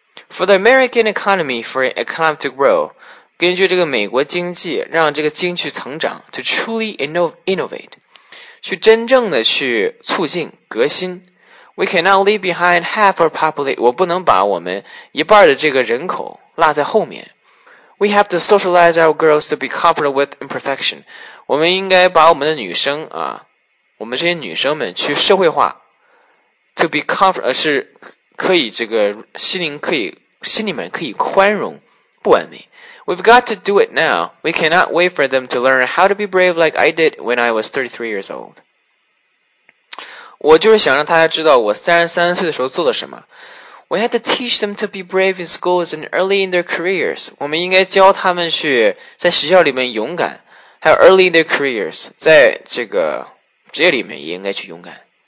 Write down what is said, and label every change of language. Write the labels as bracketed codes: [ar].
[en] For the American economy, for economic to grow， [zh] 根据这个美国经济，让这个经济成长 ， [en] to truly innovate， [zh] 去真正的去促进革新。 [en] We cannot leave behind half our population， [zh] 我不能把我们一半的这个人口落在后面。 [en] We have to socialize our girls to be comfortable with imperfection. [zh] 我们应该把我们的女生啊，我们这些女生们去社会化 ， [en] to be comfortable [zh] 是可以这个心里面可以宽容不完美。 [en] We've got to do it now. We cannot wait for them to learn how to be brave like I did when I was 33 years old. [zh] 我就是想让大家知道我33岁的时候做了什么。 [en] We had to teach them to be brave in schools and early in their careers. [zh] 我们应该教他们去在学校里面勇敢，还有 [en] early in their careers， [zh] 在这个职业里面也应该去勇敢。